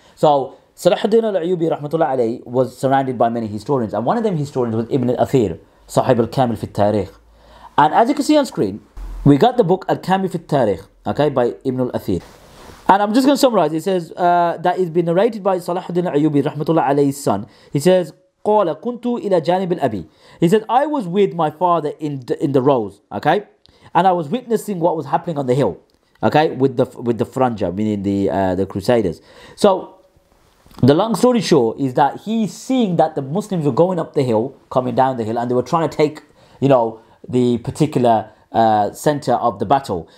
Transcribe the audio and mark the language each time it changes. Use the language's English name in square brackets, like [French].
[English] So Salahuddin Ayubi rahmatullah alayhi was surrounded by many historians, and one of them historians was Ibn al-Athir, Sahib al-Kamil fi al-Tariq. And as you can see on screen, we got the book Al-Kamil fi al-Tariq, okay, by Ibn al-Athir. And I'm just going to summarize. It says that it's been narrated by Salahuddin Ayubi rahmatullah alayhi's son. He says, [Arabic] قال كنت إلى جانب الأبي. [English] He said, I was with my father in the rows, okay, and I was witnessing what was happening on the hill, okay, with the franja, meaning the Crusaders. So the long story short is that he's seeing that the Muslims were going up the hill, coming down the hill, and they were trying to take, you know, the particular center of the battle.